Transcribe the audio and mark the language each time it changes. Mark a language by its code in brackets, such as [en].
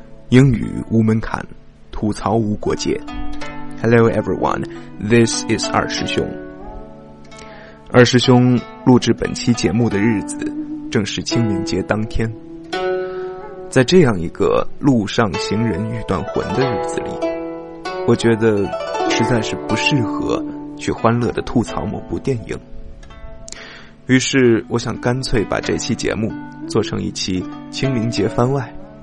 [zh] 英语无门槛，吐槽无国界。 [en] Hello everyone, this is 二师兄。 [zh] 二师兄录制本期节目的日子正是清明节当天，在这样一个路上行人欲断魂的日子里，我觉得实在是不适合去欢乐地吐槽某部电影，于是我想干脆把这期节目做成一期清明节番外，